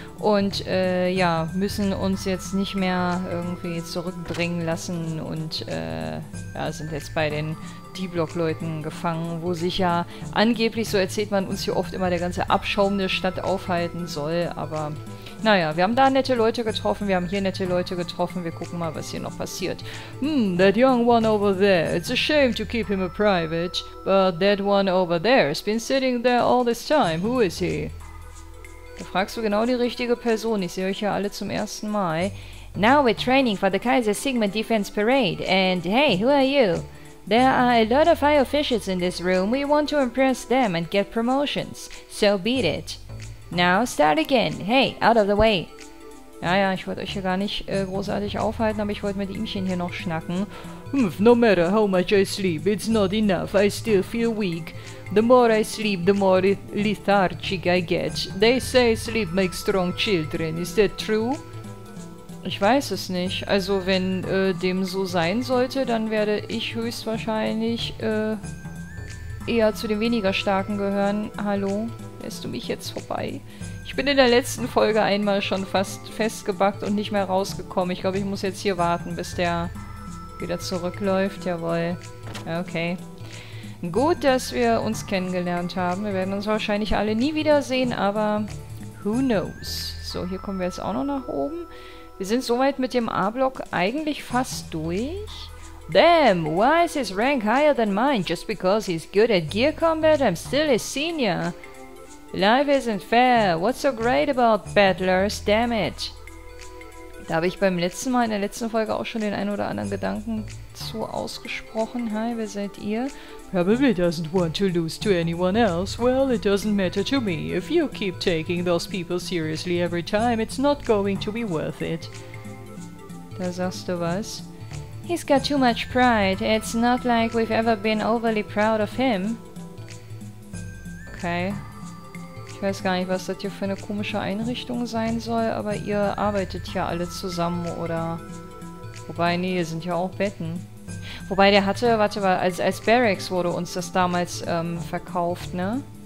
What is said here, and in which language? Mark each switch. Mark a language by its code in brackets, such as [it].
[de] Und ja, müssen uns jetzt nicht mehr irgendwie zurückdrängen lassen und ja, sind jetzt bei den D-Block-Leuten gefangen, wo sich ja angeblich, so erzählt man uns hier oft, immer der ganze Abschaum der Stadt aufhalten soll. Aber naja, wir haben da nette Leute getroffen, wir haben hier nette Leute getroffen, wir gucken mal, was hier noch passiert. [en] Hmm, that young one over there, it's a shame to keep him a private, but that one over there has been sitting there all this time, who is he? [de] Da fragst du genau die richtige Person, ich sehe euch ja alle zum ersten Mal. [en] Now we're training for the Kaiser Sigma Defense Parade, and hey, who are you? There are a lot of high officials in this room. We want to impress them and get promotions. So beat it. Now start again. Hey, out of the way. [de] Naja, ich wollte euch hier gar nicht großartig aufhalten, aber ich wollte mit ihmchen hier noch schnacken. [en] No matter how much I sleep, it's not enough. I still feel weak. The more I sleep, the more lethargic I get. They say sleep makes strong children. Is that true? [de] Ich weiß es nicht. Also wenn dem so sein sollte, dann werde ich höchstwahrscheinlich eher zu den weniger Starken gehören. Hallo? Lässt du mich jetzt vorbei? Ich bin in der letzten Folge einmal schon fast festgebackt und nicht mehr rausgekommen. Ich glaube, ich muss jetzt hier warten, bis der wieder zurückläuft. Jawohl. Okay. Gut, dass wir uns kennengelernt haben. Wir werden uns wahrscheinlich alle nie wiedersehen, aber [en] who knows? [de] So, hier kommen wir jetzt auch noch nach oben. Wir sind soweit mit dem A-Block eigentlich fast durch. [en] Damn, why is his rank higher than mine? Just because he's good at gear combat, I'm still his senior. Life isn't fair. What's so great about battlers? Damn it. [de] Da habe ich beim letzten Mal, in der letzten Folge, auch schon den ein oder anderen Gedanken zu ausgesprochen. Hi, wer seid ihr? [en] Probably doesn't want to lose to anyone else. Well, it doesn't matter to me. If you keep taking those people seriously every time, it's not going to be worth it. [de] Da sagst du was? [en] He's got too much pride. It's not like we've ever been overly proud of him. Okay. [de] Ich weiß gar nicht, was das hier für eine komische Einrichtung sein soll, aber ihr arbeitet ja alle zusammen, oder? Wobei, nee, hier sind ja auch Betten. Wobei, der hatte, warte mal, als Barracks wurde uns das damals verkauft, ne?